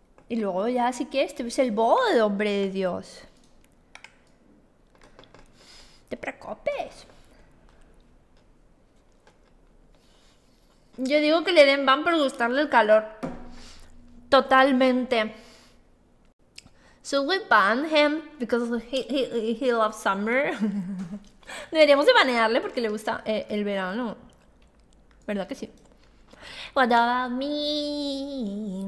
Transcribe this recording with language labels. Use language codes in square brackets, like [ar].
[es] Y luego ya sí que te ves el bobo de hombre de Dios. Te preocupes. Yo digo que le den ban por gustarle el calor. Totalmente. [en] So we ban him because he loves summer. [es] Deberíamos de banearle porque le gusta el verano. ¿Verdad que sí? [en] What about me?